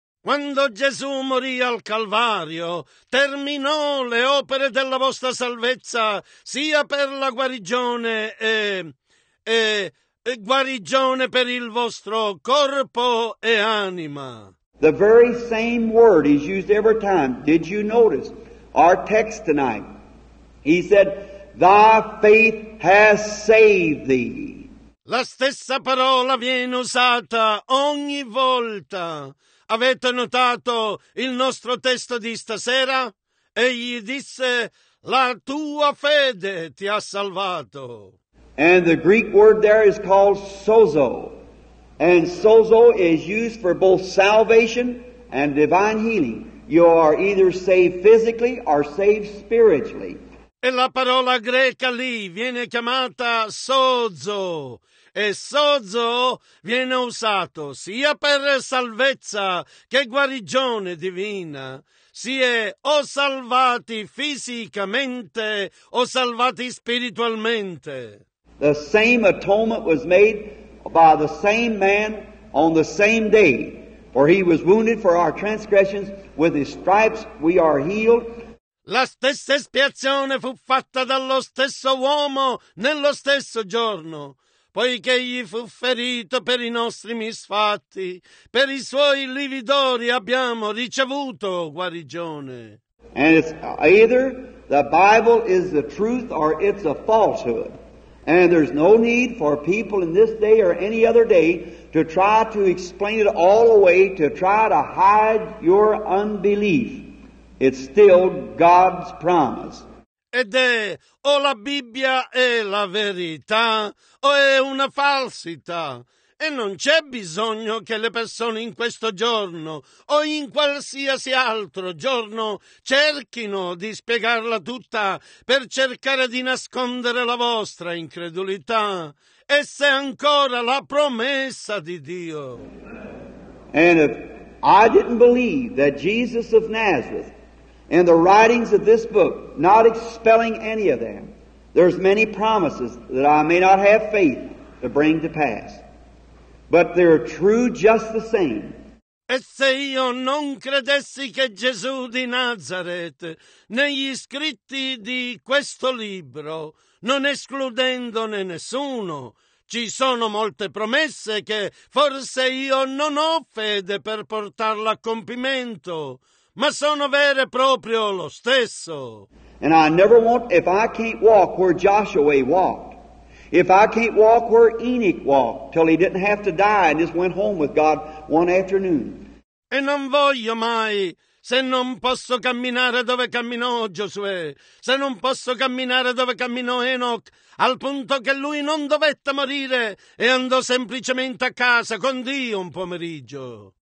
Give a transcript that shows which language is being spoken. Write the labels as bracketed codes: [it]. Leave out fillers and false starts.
[it] Quando Gesù morì al Calvario, terminò le opere della vostra salvezza, sia per la guarigione e guarigione per il vostro corpo e anima. [en] The very same word is used every time. Did you notice our text tonight? He said, thy faith has saved thee. [it] La stessa parola viene usata ogni volta. Avete notato il nostro testo di stasera? Egli disse, la tua fede ti ha salvato. [en] And the Greek word there is called sozo. And sozo is used for both salvation and divine healing. You are either saved physically or saved spiritually. [it] E la parola greca lì viene chiamata sozo. E sozo viene usato sia per salvezza che guarigione divina. Si è o salvati fisicamente o salvati spiritualmente. [en] The same atonement was made by the same man on the same day. For he was wounded for our transgressions, with his stripes we are healed. [it] La stessa espiazione fu fatta dallo stesso uomo nello stesso giorno, poiché egli fu ferito per i nostri misfatti, per i suoi lividori abbiamo ricevuto guarigione. [en] And it's either the Bible is the truth or it's a falsehood. And there's no need for people in this day or any other day to try to explain it all away, to try to hide your unbelief. It's still God's promise. [it] Ed è o la Bibbia è la verità o è una falsità. E non c'è bisogno che le persone in questo giorno o in qualsiasi altro giorno cerchino di spiegarla tutta per cercare di nascondere la vostra incredulità. Essa è ancora la promessa di Dio. [en] And if I didn't believe that Jesus of Nazareth and the writings of this book, not expelling any of them, there's many promises that I may not have faith to bring to pass. But they're true just the same. [it] E se io non credessi che Gesù di Nazareth, negli scritti di questo libro, non escludendone nessuno, ci sono molte promesse che forse io non ho fede per portarla a compimento, ma sono vere proprio lo stesso. [en] And I never want, if I can't walk where Joshua walked, if I can't walk where Enoch walked till he didn't have to die and just went home with God one afternoon. [it] E non voglio mai, se non posso camminare dove camminò Giosuè, se non posso camminare dove camminò Enoch, al punto che lui non dovette morire e andò semplicemente a casa con Dio un pomeriggio.